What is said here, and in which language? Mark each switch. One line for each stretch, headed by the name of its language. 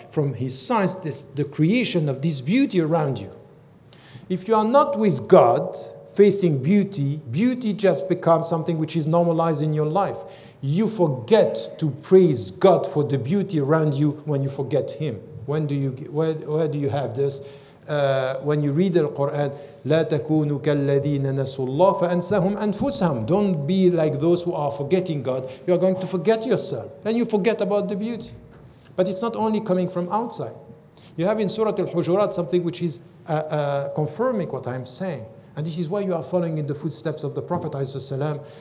English: From his signs, this, the creation of this beauty around you. If you are not with God facing beauty, beauty just becomes something which is normalized in your life. You forget to praise God for the beauty around you when you forget him. When do you where do you have this? When you read the Quran,
Arabic: لا تكونوا كالذين نسوا الله فأنساهم أنفسهم.
English: Don't be like those who are forgetting God. You are going to forget yourself and you forget about the beauty. But it's not only coming from outside. You have in Surah Al-Hujurat something which is confirming what I'm saying. And this is why you are following in the footsteps of the Prophet ﷺ.